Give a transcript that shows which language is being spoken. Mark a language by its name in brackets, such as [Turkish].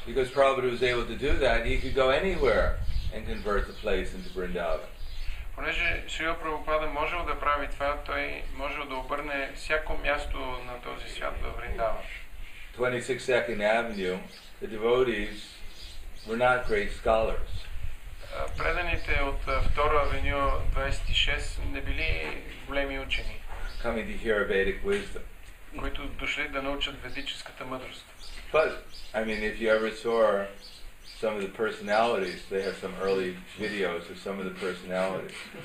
[English] Because Prabhupada was able to do that, he could go anywhere and convert the place into Vrindavan. [Bulgarian] Понеже Шрила Прабхупада можел да прави това, той можел да обърне всяко място на този свят в Вриндаван. [English] 26 Second Avenue, the devotees were not great scholars. [Bulgarian] Предените от Втора авеню 26 не били големи учени. [English] Coming to hear Vedic wisdom. [Bulgarian] Които дошли да научат ведическата мъдрост. [English] But, I mean, if you ever saw some of the personalities, they have some early videos of some of the personalities.